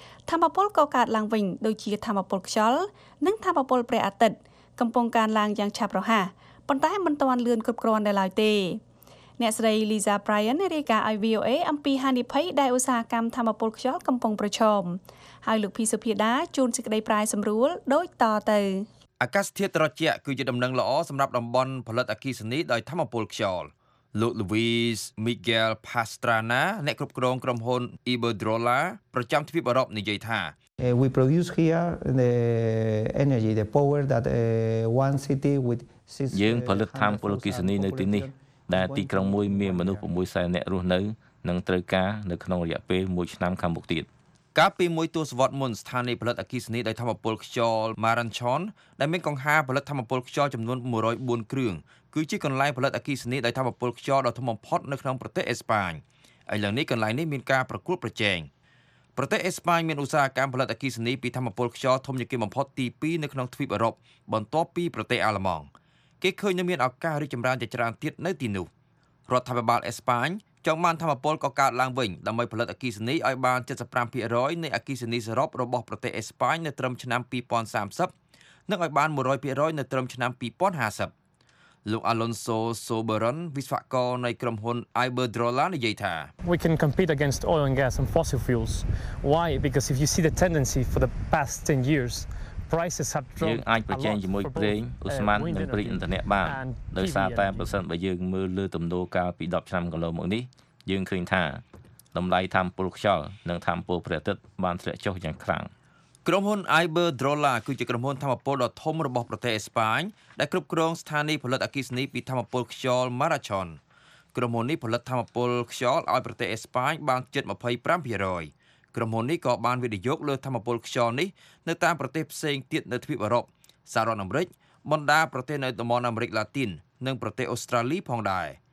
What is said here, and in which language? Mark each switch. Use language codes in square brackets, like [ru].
[km] ថាមពលកកើតឡើងវិញដូចជាថាមពលខ្យល់និងថាមពលព្រះអាទិត្យកំពុងកើនឡើងយ៉ាងឆាប់រហ័សប៉ុន្តែមិនទាន់លឿនគ្រប់គ្រាន់ដែរឡើយទេអ្នកស្រី Lisa Bryan រាយការណ៍ឲ្យ VOA អំពីហានិភ័យដែលឧស្សាហកម្មថាមពលខ្យល់កំពុងប្រឈមហើយលោកភីសុភាដាជួនសេចក្តីប្រាយសម្រួលដូចតទៅ អាកាសធាតុត្រជាក់គឺជាដំណឹងល្អសម្រាប់តំបន់ផលិតអគិសនីដោយធម្មពលខ្យល់លោក Louise Miguel Pastrana អ្នកគ្រប់គ្រងក្រុមហ៊ុន Iberdrola ប្រចាំទ្វីបអឺរ៉ុបនិយាយថា [en] We produce here the energy the power that one city with [km] six យើងផលិតថាមពលអគិសនីនៅទីនេះដែលទីក្រុងមួយមានមនុស្ស600,000នាក់រស់នៅនិងត្រូវការនៅក្នុងរយៈពេល1ឆ្នាំខាងមុខទៀត កាលពីមួយទសវត្សរ៍មុនស្ថានីយ៍ផលិតអគ្គិសនីដោយធម្មពលខ្យល់ Maranchon ដែលមានកង្ហារផលិតធម្មពលខ្យល់ចំនួន104គ្រឿងគឺជាកន្លែងផលិតអគ្គិសនីដោយធម្មពលខ្យល់ដ៏ធំបំផុតនៅក្នុងប្រទេសអេស្ប៉ាញឥឡូវនេះកន្លែងនេះមានការប្រកួតប្រជែង ប្រទេសអេស្ប៉ាញមានឧស្សាហកម្មផលិតអគ្គិសនីពីធម្មពលខ្យល់ធំជាងគេបំផុតទី2នៅក្នុងទ្វីបអឺរ៉ុបបន្ទាប់ពីប្រទេសអាល្លឺម៉ង់គេឃើញនៅមានឱកាសរីកចម្រើនជាច្រើនទៀតនៅទីនោះរដ្ឋាភិបាលអេស្ប៉ាញចំណានធម្មពលក៏កើតឡើងវិញដើម្បីផលិតអគ្គិសនីឲ្យបាន 75% នៃអគ្គិសនីសរុបរបស់ប្រទេសអេស្ប៉ាញនៅត្រឹមឆ្នាំ2030និងឲ្យបាន 100% នៅត្រឹមឆ្នាំ2050លោក Alonso Soberon វិស្វករនៃក្រុមហ៊ុន Iberdrola និយាយថា [en] We can compete against oil and gas and fossil fuels. Why? Because if you see the tendency for the past 10 years, [km] យើងអាចប្រជែងជាមួយប្រេងឧស្ម័ននិងប្រេងឥន្ធនៈបានដោយសារតែប្រសិនបើយើងមើលលើទំនោរកាលពី10ឆ្នាំកន្លងមកនេះយើងឃើញថាតម្លៃថាមពលខ្យល់និងថាមពលព្រះអាទិត្យបានធ្លាក់ចុះយ៉ាងខ្លាំង ក្រុមហ៊ុន Iberdrola គឺជាក្រុមហ៊ុនថាមពលដ៏ធំរបស់ប្រទេសអេស្ប៉ាញដែលគ្រប់គ្រងស្ថានីយ៍ផលិតអគ្គិសនីពីថាមពលខ្យល់ Maranchon ក្រុមហ៊ុននេះផលិតថាមពលខ្យល់ឲ្យប្រទេសអេស្ប៉ាញបានជិត 25%ក្រុមហ៊ុននេះក៏បានវិនិយោគលើធម្មពលខ្យល់នេះនៅតាមប្រទេសផ្សេងទៀតនៅទ្វីបអឺរ៉ុបសហរដ្ឋអាមេរិកបណ្ដាប្រទេសនៅតំបន់អាមេរិកឡាទីននិងប្រទេសអូស្ត្រាលីផងដែរ